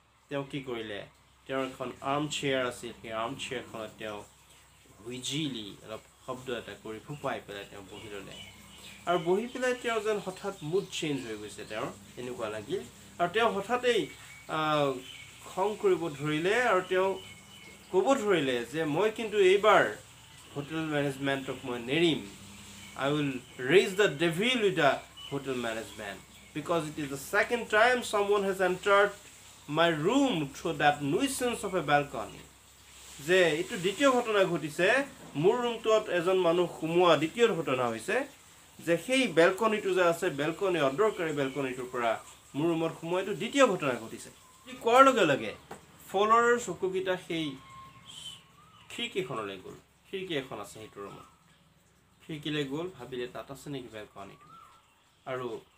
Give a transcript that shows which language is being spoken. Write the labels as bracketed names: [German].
[Assamese] তেওঁ কি কৰিলে তেওঁৰ এখন আৰ্ম চেয়াৰ আছিল সেই আৰ্ম চেয়াৰখনত তেওঁ হুইজিলি অলপ শব্দ এটা কৰি ফুপাই পেলাই তেওঁ বহি ল'লে আৰু বহি পেলাই তেওঁ যেন হঠাৎ মুড চেঞ্জ হৈ গৈছে তেওঁৰ এনেকুৱা লাগিল আৰু তেওঁ হঠাতেই খং কৰিব ধৰিলে আৰু তেওঁ ক'ব ধৰিলে যে মই কিন্তু এইবাৰ হোটেল মেনেজমেণ্টক মই Nerim [English] I will raise the devil with the hotel management because it is the second time someone has entered my room through that nuisance of a balcony. [Assamese] যে এইটো দ্বিতীয় ঘটনা ঘটিছে মোৰ ৰুমটোত এজন মানুহ সোমোৱা দ্বিতীয় ঘটনা হৈছে যে সেই বেলকনিটো যে আছে বেলকনি অদৰকাৰী বেলকনিটোৰ পৰা মোৰ ৰুমত সোমোৱা এইটো দ্বিতীয় ঘটনা ঘটিছে কোৱাৰ লগে লগে ফলৰ চকুকেইটা সেই খিৰিকীখনলৈ গ'ল খিৰিকী এখন আছে সেইটো ৰুমত খিৰিকীলৈ গ'ল ভাবিলে তাত আছে নেকি বেলকনিটো আৰু